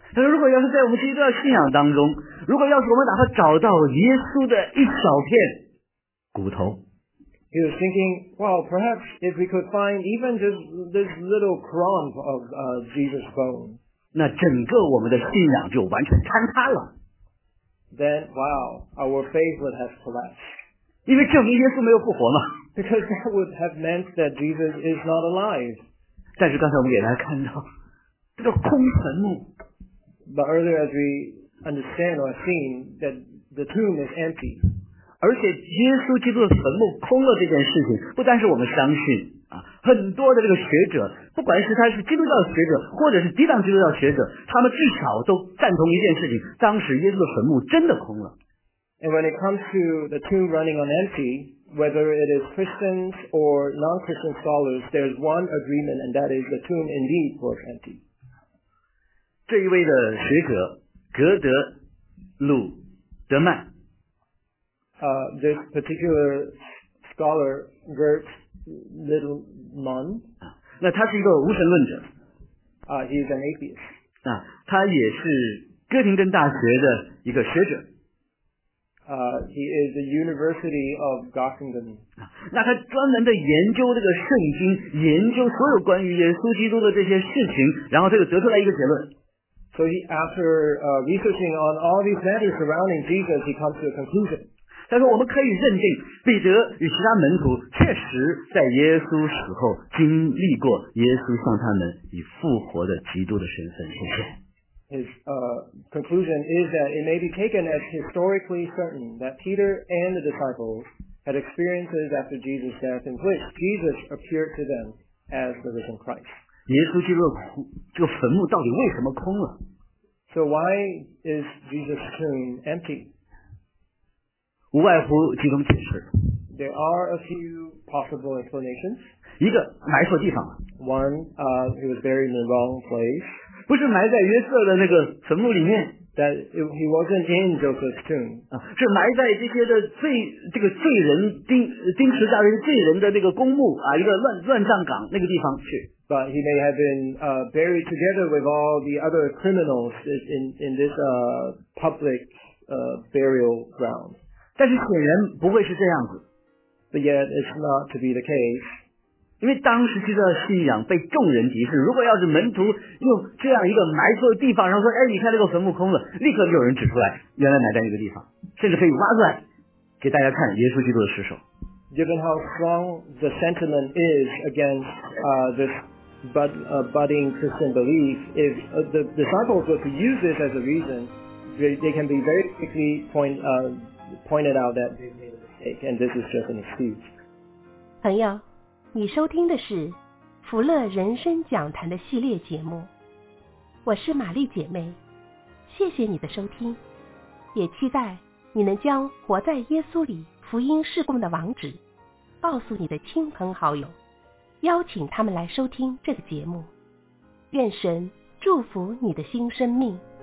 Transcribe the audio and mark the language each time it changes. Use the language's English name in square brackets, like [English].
[Chinese] 他说如果要是在我们基督教信仰当中，如果要是我们哪怕找到耶稣的一小片骨头， [English] he was thinking, well, perhaps if we could find even just this little crumb of Jesus' bone, [Chinese] 那整个我们的信仰就完全坍塌了。 [English] Then, wow, our faith would have collapsed. [Chinese] 因为证明耶稣没有复活嘛。 [English] Because that would have meant that Jesus is not alive. [Chinese] 但是刚才我们也来看到，这个空坟墓。 [English] But earlier, as we understand or seen, that the tomb is empty. [Chinese] 而且耶稣基督的坟墓空了这件事情，不单是我们相信啊，很多的这个学者，不管是他是基督教学者，或者是抵挡基督教学者，他们至少都赞同一件事情：当时耶稣的坟墓真的空了。 [English] And when it comes to the tomb running on empty, whether it is Christians or non-Christian scholars, there's one agreement, and that is the tomb indeed was empty. [Chinese] 这一位的学者格德鲁德曼。 [English] This particular scholar, Gert Littlemann. [Chinese] 那他是一个无神论者。 [English] He is an atheist. [Chinese] 那他也是哥廷根大学的一个学者。 [English] He is the University of Göttingen. [Chinese] 那他专门的研究这个圣经，研究所有关于耶稣基督的这些事情，然后他就得出来一个结论。 [English] So he, after researching on all these matters surrounding Jesus, he comes to a conclusion. [Chinese] 但是我们可以认定彼得与其他门徒确实在耶稣死后经历过耶稣向他们以复活的基督的身份显现。 [English] His conclusion is that it may be taken as historically certain that Peter and the disciples had experiences after Jesus' death in which Jesus appeared to them as the risen Christ. [Chinese] 耶稣基督这个坟墓到底为什么空了？ [English] So why is Jesus' tomb empty? [Chinese] 无外乎几种解释。 [English] There are a few possible explanations. [Chinese] 一个埋错地方了。 [English] One, he was buried in the wrong place. [Chinese] 不是埋在约瑟的那个坟墓里面。 [English] That he wasn't in Joseph's tomb. [Chinese] 是埋在这些的罪，这个罪人钉十字架的罪人的那个公墓啊，一个乱葬岗那个地方去。 [English] But he may have been buried together with all the other criminals in this public burial ground. [Chinese] 但是显然不会是这样子。 [English] But yet it's not to be the case. [Chinese] 因为当时基督的信仰被众人敌视，如果要是门徒用这样一个埋错的地方，然后说，哎，你看这个坟墓空了，立刻就有人指出来，原来埋在一个地方，甚至可以挖出来给大家看耶稣基督的尸首。 [English] Given how strong the sentiment is against this budding Christian belief, if the disciples were to use this as a reason, they can be very quickly pointed out that they've made a mistake, and this is just an excuse. [Chinese] 朋友，你收听的是福乐人生讲坛的系列节目，我是玛丽姐妹，谢谢你的收听，也期待你能将活在耶稣里福音事工的网址告诉你的亲朋好友，邀请他们来收听这个节目。愿神祝福你的新生命。